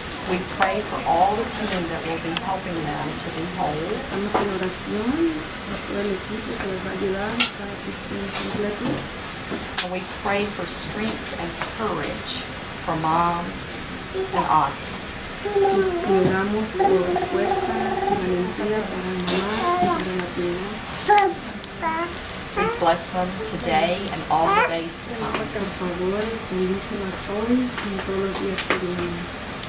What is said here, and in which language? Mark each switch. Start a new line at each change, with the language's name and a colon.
English: We pray for all the team that will be helping them to be whole.
Spanish: Estamos en oración por todo el equipo que les va a ayudar para que estén completos.
English: And we pray for strength and courage for mom and aunt.
Spanish: Y oramos por fuerza y valentía para mamá y para la tía.
English: Please bless them today and all the days to come.
Spanish: Por favor, bendícelas hoy y todos los días que vienen.